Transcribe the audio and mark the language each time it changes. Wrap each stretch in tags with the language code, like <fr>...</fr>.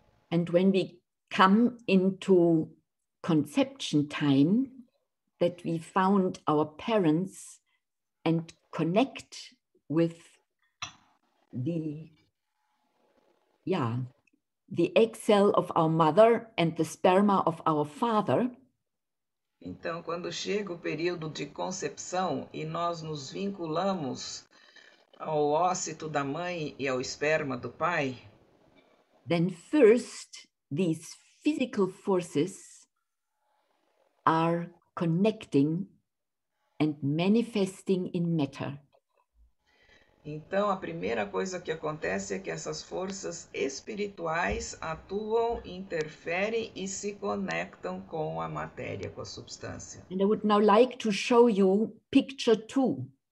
<en>And when we come into conception time, that we found our parents and connect with the egg cell of our mother and the sperma of our father.</en> <pt>Então, quando chega o período de concepção e nós nos vinculamos ao óscito da mãe e ao esperma do pai,</pt> <en>then first these physical forces are connecting and manifesting in matter.</en> <pt>Então, a primeira coisa que acontece é que essas forças espirituais atuam, interferem e se conectam com a matéria, com a substância.</pt> <en>And I would now like to show you picture two.</en>